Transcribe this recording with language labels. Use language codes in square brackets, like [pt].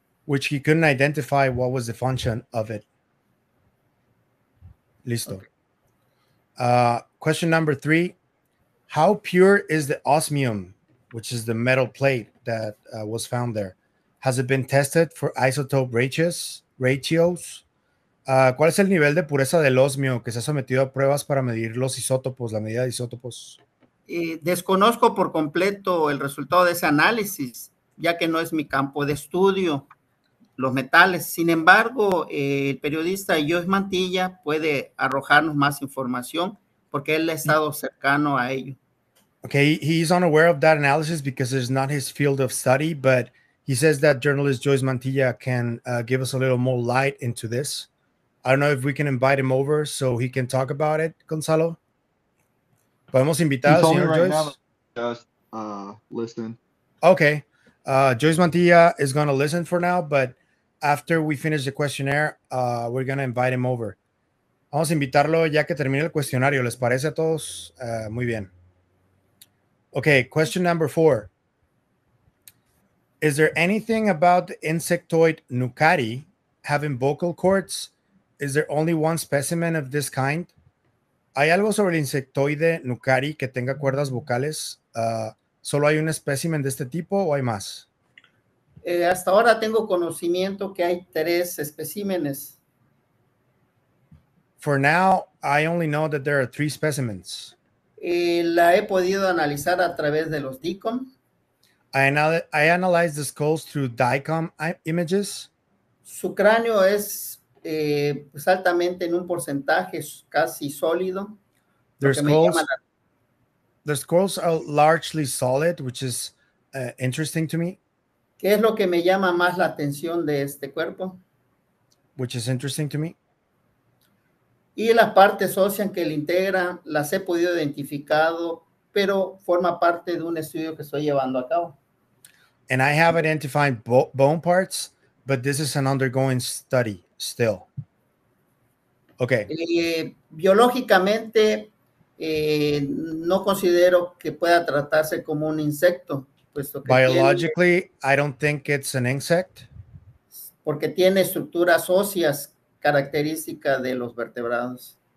[en] Which he couldn't identify what was the function of it. Listo. Okay. Question number three. How pure is the osmium, which is the metal plate that was found there? Has it been tested for isotope ratios? [es] ¿Cuál es el nivel de pureza del osmio que se ha sometido a pruebas para medir los isótopos, la medida de isótopos? Desconozco por completo el resultado de ese análisis, ya que no es mi campo de estudio. Los metales. Sin embargo, el periodista Joyce Mantilla puede arrojarnos más información porque él ha estado cercano a ello. [en] Okay, he is unaware of that analysis because it's not his field of study, but he says that journalist Joyce Mantilla can give us a little more light into this. I don't know if we can invite him over so he can talk about it, Gonzalo. [es] ¿Podemos invitar al señor Joyce? Right [en] now, just listen. Okay. Joyce Mantilla is going to listen for now, but after we finish the questionnaire, we're going to invite him over. [es] Vamos a invitarlo ya que termine el cuestionario. ¿Les parece a todos? Muy bien. [en] Okay, question number four. Is there anything about the insectoid Nucari having vocal cords? Is there only one specimen of this kind? [es] ¿Hay algo sobre el insectoide Nucari que tenga cuerdas vocales? ¿Solo hay un espécimen de este tipo o hay más? Hasta ahora tengo conocimiento que hay tres especímenes. [en] For now, I only know that there are three specimens. [es] La he podido analizar a través de los DICOM. [en] I analyzed the skulls through DICOM images. [es] Su cráneo es pues altamente en un porcentaje casi sólido. [en] The skulls are largely solid, which is interesting to me. [es] ¿Qué es lo que me llama más la atención de este cuerpo? [en] Which is interesting to me. [es] Y las partes óseas que le integran las he podido identificado, pero forma parte de un estudio que estoy llevando a cabo. [en] And I have identified bone parts, but this is an undergoing study still. Okay. [es] Biológicamente, no considero que pueda tratarse como un insecto, puesto que [en] biologically, [es] tiene, [en] I don't think it's an insect. [es] Porque tiene estructuras óseas características de los vertebrados.